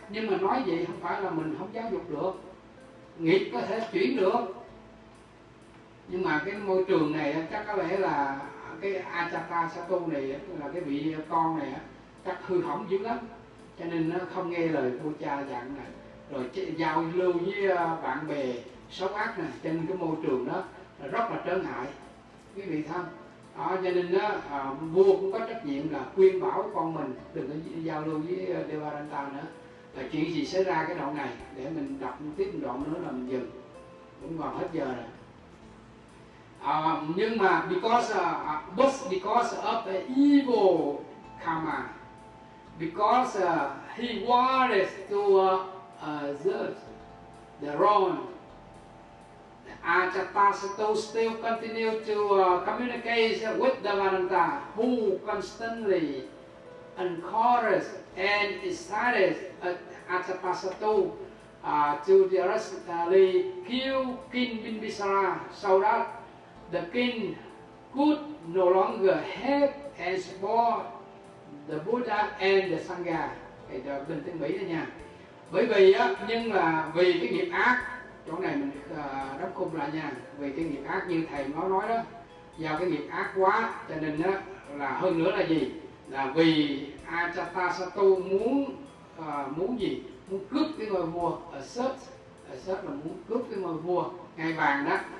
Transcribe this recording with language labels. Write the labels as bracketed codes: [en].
[vi] Nhưng mà nói vậy không phải là mình không giáo dục được, nghiệp có thể chuyển được, nhưng mà cái môi trường này chắc có lẽ là cái Ajatasattu này là cái vị con này chắc hư hỏng dữ lắm, cho nên nó không nghe lời vua cha dặn này, rồi giao lưu với bạn bè xấu ác này, cho nên cái môi trường đó là rất là trở ngại quý vị thân. Cho nên vua cũng có trách nhiệm là khuyên bảo con mình đừng có giao lưu với Devadatta nữa. Và chuyện gì xảy ra cái đoạn này để mình đọc tiếp một đoạn nữa là mình dừng, cũng gần hết giờ rồi. Nhưng mà [en] because of the evil karma, because he wanted to assert the throne, Ajatasattu still continued to communicate with Devadatta, who constantly encouraged and excited Ajatasattu to directly kill King Bimbisara. So that the king could no longer help and support the Buddha and the Sangha. [vi] Thầy cho bên tiếng Mỹ đó nha. Bởi vì á, nhưng là vì cái nghiệp ác, chỗ này mình đóng khung lại nha. Vì cái nghiệp ác như thầy nói đó, do cái nghiệp ác quá, cho nên á, là hơn nữa là gì? Là vì Ajatasattu muốn cướp cái ngôi vua, assert là muốn cướp cái ngôi vua ngai vàng đó.